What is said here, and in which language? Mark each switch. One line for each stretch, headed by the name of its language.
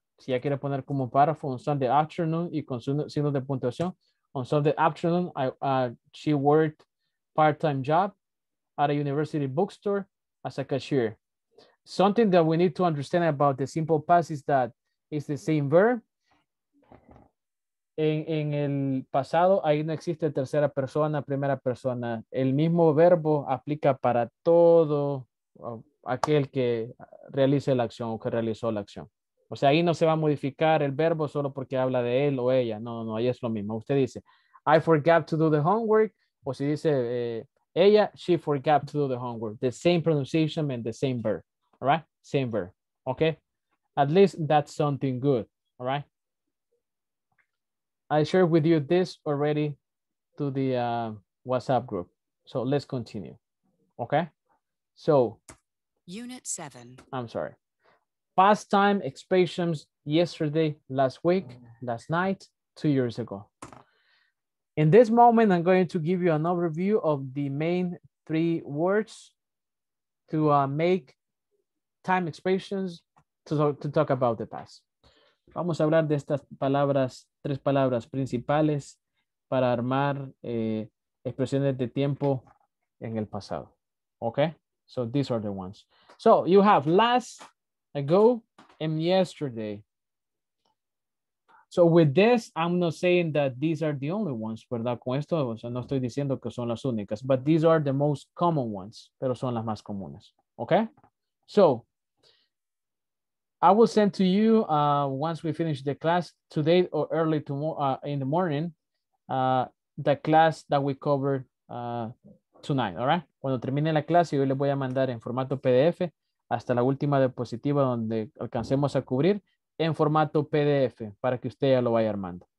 Spanish: Si ya quiere poner como párrafo,
English: on Sunday afternoon
Spanish: y con signos de puntuación,
English: on Sunday afternoon, she worked part-time job at a university bookstore as a cashier. Something that we need to understand about the simple past is that it's the same verb.
Spanish: En el pasado, ahí no existe tercera persona, primera persona. El mismo verbo aplica para todo aquel que realice la acción o que realizó la acción. O sea, ahí no se va a modificar el verbo solo porque habla de él o ella. No, no, no, ahí es lo mismo. Usted dice,
English: I forgot to do the homework.
Spanish: O si dice ella,
English: she forgot to do the homework. The same pronunciation and the same verb. All right? Same verb. Okay? At least that's something good. All right? I shared with you this already to the WhatsApp group. So let's continue. Okay? So. Unit 7. I'm sorry. Past time expressions, yesterday, last week, last night, 2 years ago. In this moment, I'm going to give you an overview of the main three words to make time expressions to talk about the past.
Spanish: Vamos a hablar de estas palabras, tres palabras principales para armar expresiones de tiempo en el pasado.
English: Okay? So these are the ones. So you have last, ago, and yesterday. So with this, I'm not saying that these are the only ones, ¿verdad?
Spanish: Con esto, o sea, no estoy diciendo que son las únicas,
English: but these are the most common ones,
Spanish: pero son las más comunes, okay?
English: So, I will send to you, once we finish the class, today or early tomorrow, in the morning, the class that we covered tonight, all right?
Spanish: Cuando termine la clase, yo les voy a mandar en formato PDF hasta la última diapositiva donde alcancemos a cubrir, en formato PDF para que usted ya lo vaya armando.